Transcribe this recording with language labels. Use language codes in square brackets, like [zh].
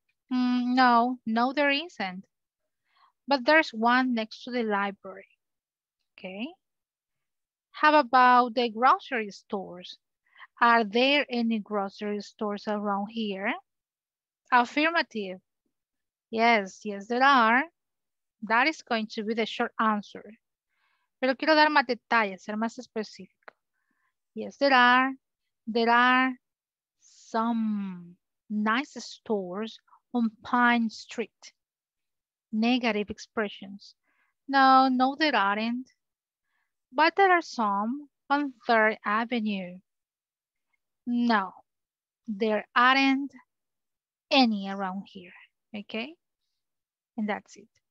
[en] No, there isn't. But there's one next to the library. Okay. How about the grocery stores? Are there any grocery stores around here? Affirmative. Yes, yes, there are. That is going to be the short answer. [es] Pero quiero dar más detalles, ser más específico. [en] Yes, there are some nice stores on Pine Street. Negative expressions. No, there aren't. But there are some on 3rd Avenue. No, there aren't any around here, okay? And that's it.